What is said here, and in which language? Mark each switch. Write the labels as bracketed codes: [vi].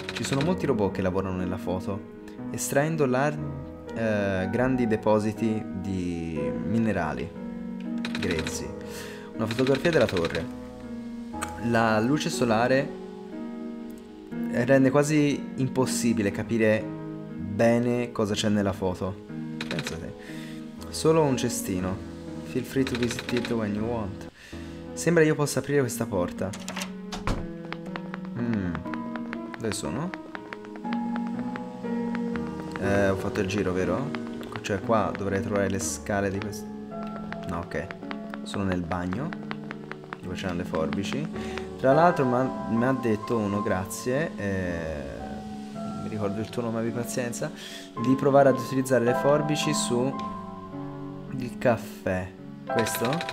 [it] Ci sono molti robot che lavorano nella foto, estraendo grandi depositi di minerali grezzi. Una fotografia della torre. La luce solare rende quasi impossibile capire bene cosa c'è nella foto. Pensate. Solo un cestino. [en] Feel free to visit it when you want. [it] Sembra io possa aprire questa porta. Dove sono? Ho fatto il giro, vero? Cioè qua dovrei trovare le scale di questo. No, ok. Sono nel bagno, dove c'erano le forbici. Tra l'altro mi ha detto uno, grazie, non mi ricordo il tuo nome, abbi pazienza, di provare ad utilizzare le forbici su il caffè. Questo?